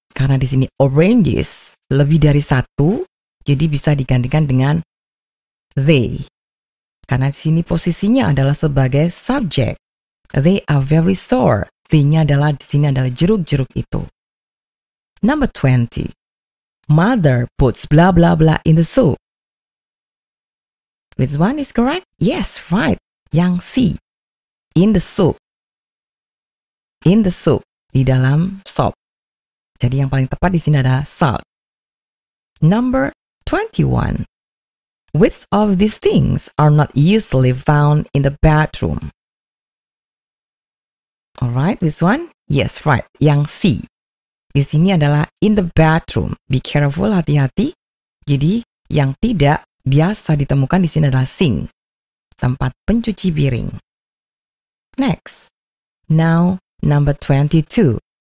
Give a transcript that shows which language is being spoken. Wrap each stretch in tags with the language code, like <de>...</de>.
<id>Karena di sini oranges lebih dari satu, jadi bisa digantikan dengan they. Karena di sini posisinya adalah sebagai subject.</id> <en>They are very sore.</en> <id>They-nya adalah di sini adalah jeruk-jeruk itu.</id> <en>Number 20. Mother puts blah blah blah in the soup. Which one is correct? Yes, right.</en> <id>Yang C.</id> <en>In the soup. In the soup.</en> <id>Di dalam sop. Jadi yang paling tepat di sini ada salt.</id> <en>Number 21. Which of these things are not usually found in the bathroom? Alright, this one? Yes, right.</en> <id>Yang C. Di sini adalah in the bathroom.</id> <en>Be careful,</en> <id>hati-hati. Jadi yang tidak biasa ditemukan di sini adalah sink. Tempat pencuci piring.</id> <en>Next. Now, number 22.</en>